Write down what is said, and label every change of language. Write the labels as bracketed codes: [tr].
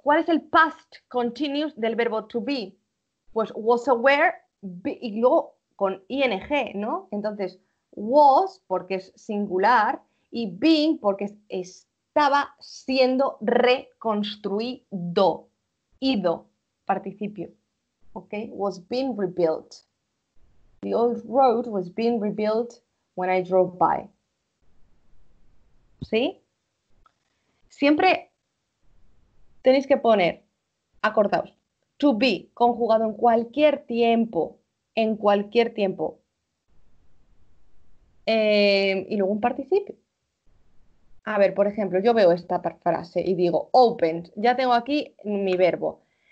[es] ¿Cuál es el past continuous del verbo to be? Pues was aware, be, y luego con ing, ¿no? Entonces, was, porque es singular, y being, porque estaba siendo reconstruido, ido, participio. [en] ¿Ok? Was being rebuilt. The old road was being rebuilt when I drove by. [es] ¿Sí? Siempre tenéis que poner, acordaos, to be conjugado en cualquier tiempo, en cualquier tiempo. Y luego un participio. A ver, por ejemplo, yo veo esta frase y digo, opened, ya tengo aquí mi verbo.